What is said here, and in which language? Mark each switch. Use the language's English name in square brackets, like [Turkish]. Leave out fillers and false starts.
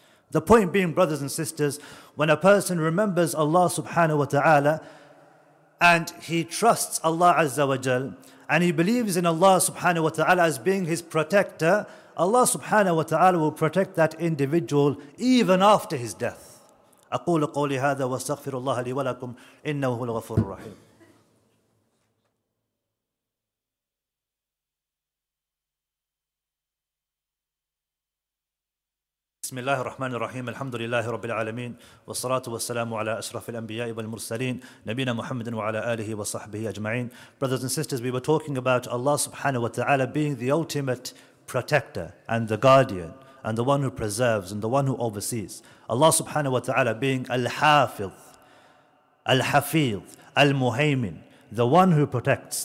[English] The point being, brothers and sisters, when a person remembers Allah subhanahu wa ta'ala and he trusts Allah azza wa jal and he believes in Allah subhanahu wa ta'ala as being his protector, Allah subhanahu wa ta'ala will protect that individual even after his death. [Arabic] أقول قولي هذا واستغفر الله لي ولكم إنه هو الغفور الرحيم. بسم الله الرحمن الرحيم الحمد لله رب العالمين والصلاة والسلام على أشرف الأنبياء والمرسلين نبينا محمد وعلى آله وصحبه أجمعين. [English] Brothers and sisters, we were talking about Allah subhanahu wa ta'ala being the ultimate protector and the guardian and the one who preserves and the one who oversees. Allah subhanahu wa ta'ala being Al-Hafidh, Al-Hafidh, Al-Muhaymin, the one who protects.